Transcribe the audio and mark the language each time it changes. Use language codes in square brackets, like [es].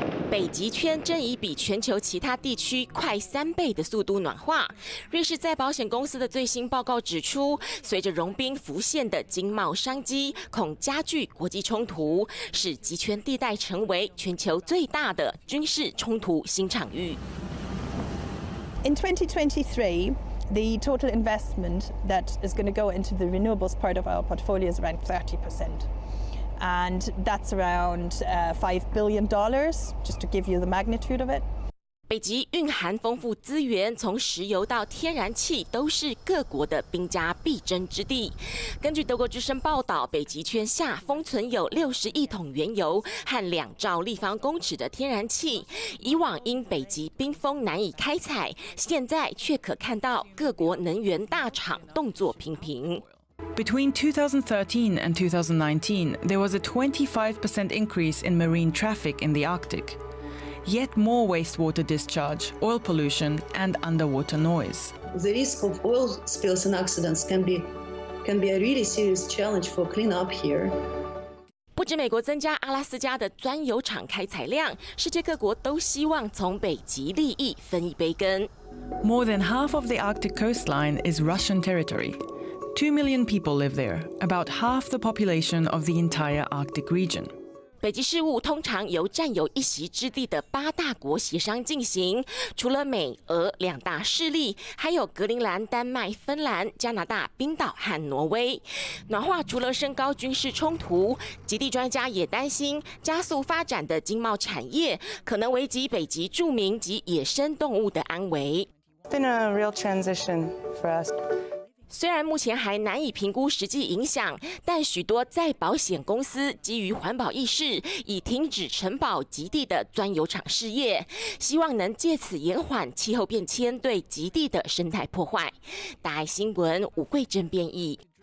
[zh] 北极圈正以比全球其他地区快3倍的速度暖化。瑞士再保险公司的最新报告指出，随着融冰浮现的经贸商机，恐加剧国际冲突，使极圈地带成为全球最大的军事冲突新场域。 [en] In 2023, the total investment that is going to go into the renewables part of our portfolio is around 30%. And that's around $5 billion, just to give you the magnitude of it. [zh] 北极蕴含丰富资源，从石油到天然气都是各国的兵家必争之地。根据德国之声报道，北极圈下封存有60亿桶原油和2兆立方公尺的天然气。以往因北极冰封难以开采，现在却可看到各国能源大厂动作频频。 [en] Between 2013 and 2019, there was a 25% increase in marine traffic in the Arctic. Yet more wastewater discharge, oil pollution, and underwater noise. The risk of oil spills and accidents can be a really serious challenge for cleanup here. [zh] 不止美国增加阿拉斯加的钻油厂开采量，世界各国都希望从北极利益分一杯羹。 [en] More than half of the Arctic coastline is Russian territory. 2 million people live there, about half the population of the entire Arctic region. [zh] 北极事务通常由占有一席之地的八大国协商进行，除了美、俄两大势力，还有格陵兰、丹麦、芬兰、加拿大、冰岛和挪威。暖化除了升高军事冲突，极地专家也担心加速发展的经贸产业可能危及北极住民及野生动物的安危。 [en] Been a real transition for us. [zh] 虽然目前还难以评估实际影响，但许多在保险公司基于环保意识，已停止承保极地的钻油厂事业，希望能借此延缓气候变迁对极地的生态破坏。大爱新闻吴桂珍编译。